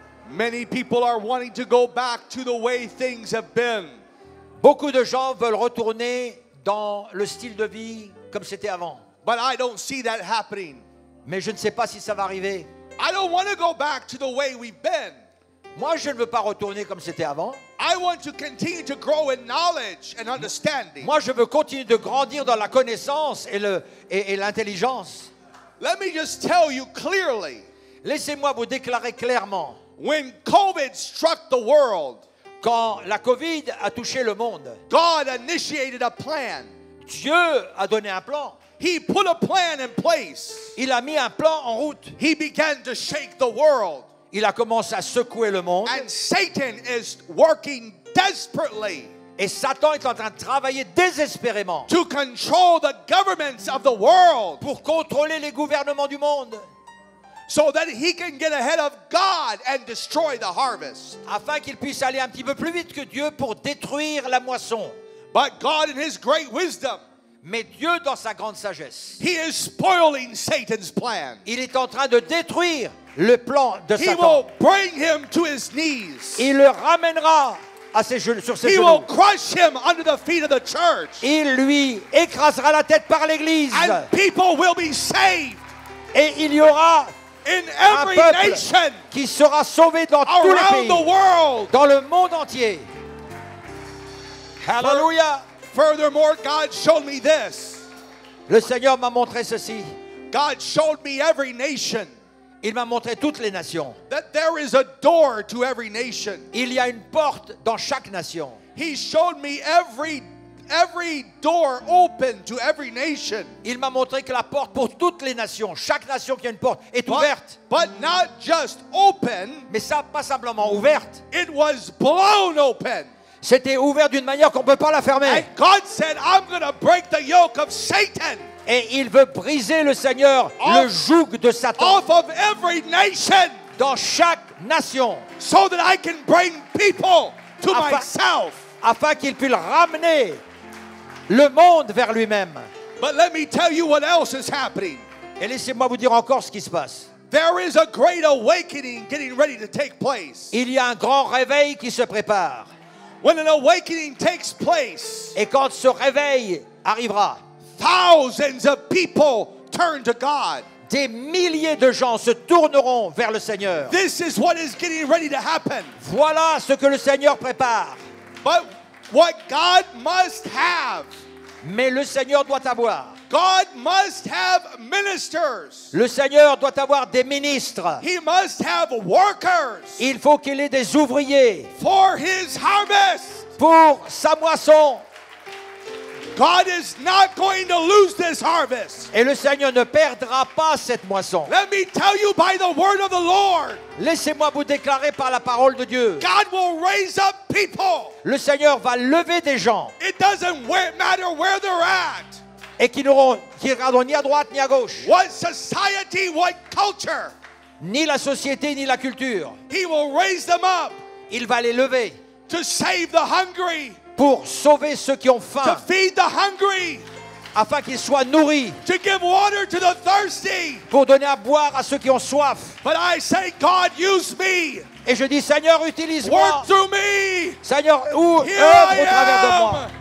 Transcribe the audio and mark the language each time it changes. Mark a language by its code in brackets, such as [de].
[en] Many people are wanting to go back to the way things have been. [fr] Beaucoup de gens veulent retourner dans le style de vie comme c'était avant. [en] But I don't see that happening. [fr] Mais je ne sais pas si ça va arriver. [en] I don't want to go back to the way we've been. [fr] Moi, je ne veux pas retourner comme c'était avant. [en] I want to continue to grow in knowledge and understanding. [fr] Moi, je veux continuer de grandir dans la connaissance et l'intelligence. [en] Let me just tell you clearly. [fr] Laissez-moi vous déclarer clairement. [en] When COVID struck the world, [fr] quand la COVID a touché le monde, [en] God initiated a plan. [fr] Dieu a donné un plan. [en] He put a plan in place. [fr] Il a mis un plan en route. [en] He began to shake the world. [fr] Il a commencé à secouer le monde. [en] And Satan is working desperately. [fr] Et Satan est en train de travailler désespérément. [en] To control the governments of the world. [fr] Pour contrôler les gouvernements du monde. [en] so that he can get ahead of God and destroy the harvest. [fr] Afin qu'il puisse aller un petit peu plus vite que Dieu pour détruire la moisson. [en] But God in his great wisdom, [fr] mais Dieu dans sa grande sagesse, [en] he is spoiling Satan's plan. [fr] Il est en train de détruire le plan de [en] Satan. He will bring him to his knees. [fr] Il le ramènera à ses genoux, sur ses [en] he [fr] genoux. [en] Will crush him under the feet of the church. [fr] Il lui écrasera la tête par l'église. [en] And people will be saved. [fr] Et il y aura [en] in every [fr] un peuple [en] nation [fr] qui sera sauvé dans tous les pays, [en] the world. [fr] Dans le monde entier. [en] Hallelujah. Furthermore, God showed me this. [fr] Le Seigneur m'a montré ceci. [en] God showed me every nation. [fr] Il m'a montré toutes les nations. [en] That there is a door to every nation. [fr] Il y a une porte dans chaque nation. [en] He showed me every door open to every nation. [fr] Il m'a montré que la porte pour toutes les nations, chaque nation qui a une porte, est ouverte. [en] But not just open. [fr] Mais ça pas simplement ouverte. [en] It was blown open. [fr] C'était ouvert d'une manière qu'on ne peut pas la fermer. [en] And God said, I'm going to break the yoke of Satan. [fr] Et il veut briser le Seigneur, le joug de Satan, [en] off of every nation, [fr] dans chaque nation, [en] so that I can bring people to myself, [fr] afin qu'il puisse ramener le monde vers lui-même. [en] But let me tell you what else is happening. [fr] Et laissez-moi vous dire encore ce qui se passe. [en] There is a great awakening getting ready to take place. [fr] Il y a un grand réveil qui se prépare. [en] When an awakening takes place, [fr] et quand ce réveil arrivera, [en] thousands of people turn to God. [fr] Des milliers de gens se tourneront vers le Seigneur. [en] This is what is getting ready to happen. [fr] Voilà ce que le Seigneur prépare. [en] But what God must have. [fr] Mais le Seigneur doit avoir. [en] God must have ministers. [fr] Le Seigneur doit avoir des ministres. [en] He must have workers. [fr] Il faut qu'il ait des ouvriers. [en] For his harvest. [fr] Pour sa moisson. [en] God is not going to lose this harvest. [fr] Et le Seigneur ne perdra pas cette moisson. [en] Let me tell you by the word of the Lord. [fr] Laissez-moi vous déclarer par la parole de Dieu. [en] God will raise up people. [fr] Le Seigneur va lever des gens. [en] It doesn't matter where they're at. [fr] Et qui n'auront qui regardent ni à droite ni à gauche. [en] What society, what culture? [fr] Ni la société ni la culture. [en] He will raise them up. [fr] Il va les lever. [en] To save the hungry. [fr] Pour sauver ceux qui ont faim, [en] to feed the hungry, [fr] afin qu'ils soient nourris, [en] to give water to the thirsty, [fr] pour donner à boire à ceux qui ont soif. [en] But I say, God, use me. [fr] Et je dis, Seigneur, utilise-moi. [en] Work through me. [fr] Seigneur, œuvre au travers de moi.